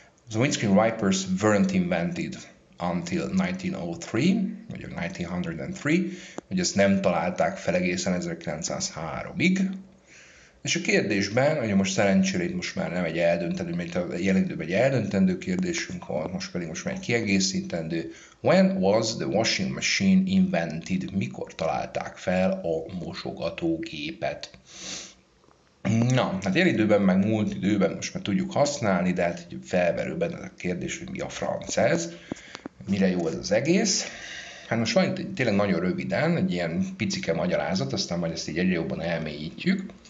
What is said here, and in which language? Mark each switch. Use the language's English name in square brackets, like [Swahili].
[English] The windscreen wipers weren't invented until 1903, [Hungarian] vagy 1903, hogy ezt nem találták fel egészen 1903-ig. És a kérdésben, hogy most szerencsére most már nem egy eldöntendő, mert a jelen időben egy eldöntendő kérdésünk van, most pedig most már egy kiegészítendő. [English] When was the washing machine invented? [Hungarian] Mikor találták fel a mosogatógépet? Na, hát jelen időben, meg múlt időben most már tudjuk használni, de hát felverőben ez a kérdés, hogy mi a franc ez, mire jó ez az egész. Hát most van tényleg nagyon röviden egy ilyen picike magyarázat, aztán majd ezt így egyre jobban elmélyítjük.